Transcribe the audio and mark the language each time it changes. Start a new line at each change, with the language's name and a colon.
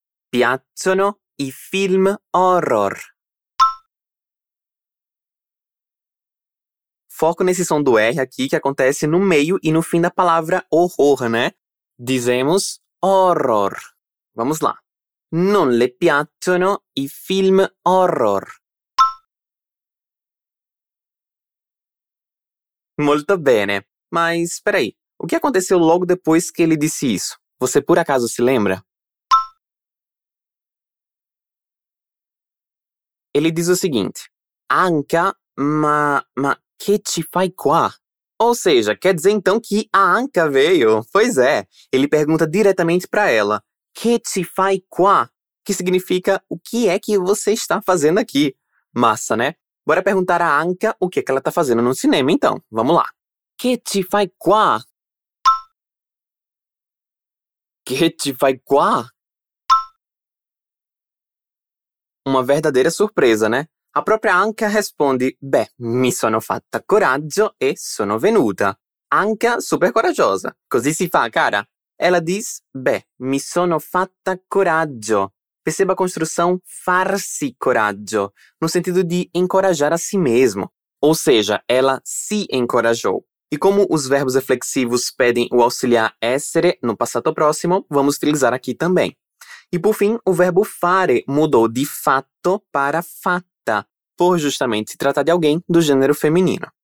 Italian: Piacciono i film horror.
Portuguese: Foco nesse som do R aqui que acontece no meio e no fim da palavra horror, né? Dizemos horror. Vamos lá.
Italian: Non le piacciono i film horror. Molto bene.
Portuguese: Mas, peraí. O que aconteceu logo depois que ele disse isso? Você por acaso se lembra? Ele diz o seguinte.
Italian: Anca, ma che ci fai qua?
Portuguese: Ou seja, quer dizer então que a Anca veio? Pois é. Ele pergunta diretamente para ela.
Italian: Che ci fai qua?
Portuguese: Que significa o que é que você está fazendo aqui? Massa, né? Bora perguntar a Anca o que é que ela está fazendo no cinema então. Vamos lá.
Italian: Che ci fai qua? Che ci fai qua?
Portuguese: Uma verdadeira surpresa, né? A própria Anca responde,
Italian: beh, mi sono fatta coraggio e sono venuta.
Portuguese: Anca super corajosa.
Italian: Così si fa, cara.
Portuguese: Ela diz,
Italian: beh, mi sono fatta coraggio.
Portuguese: Perceba a construção farsi coraggio, no sentido de encorajar a si mesmo. Ou seja, ela se encorajou. E como os verbos reflexivos pedem o auxiliar essere no passato próximo, vamos utilizar aqui também. E por fim, o verbo fare mudou de fatto para fatta, por justamente se tratar de alguém do gênero feminino.